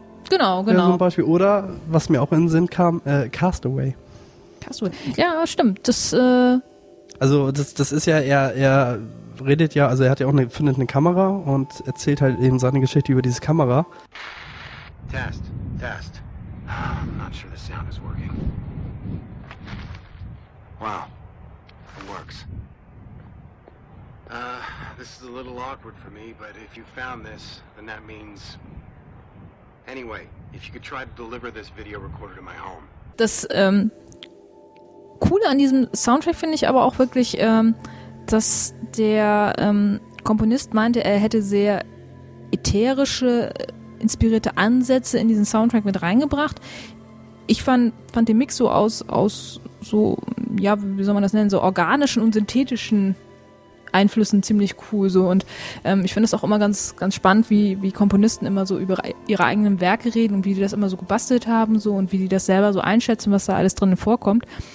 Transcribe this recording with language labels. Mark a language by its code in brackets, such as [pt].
[de] Genau, genau. Ja, zum Beispiel. Oder, was mir auch in den Sinn kam, Castaway. Castaway. Ja, stimmt. Das, Also, das ist ja, er redet ja, also er hat ja auch findet eine Kamera und erzählt halt eben seine Geschichte über diese Kamera. [en] Test. I'm not sure the sound is working. Wow. It works. This is a little awkward for me, but if you found this, then that means... Anyway, if you could try to deliver this video recorder to my home. [de] Das Coole an diesem Soundtrack finde ich aber auch wirklich, dass der Komponist meinte, er hätte sehr ätherische, inspirierte Ansätze in diesen Soundtrack mit reingebracht. Ich fand den Mix so aus so, ja, wie soll man das nennen, so organischen und synthetischen Einflüssen ziemlich cool so und ich finde es auch immer ganz, ganz spannend, wie Komponisten immer so über ihre eigenen Werke reden und wie die das immer so gebastelt haben so und wie die das selber so einschätzen, was da alles drin vorkommt.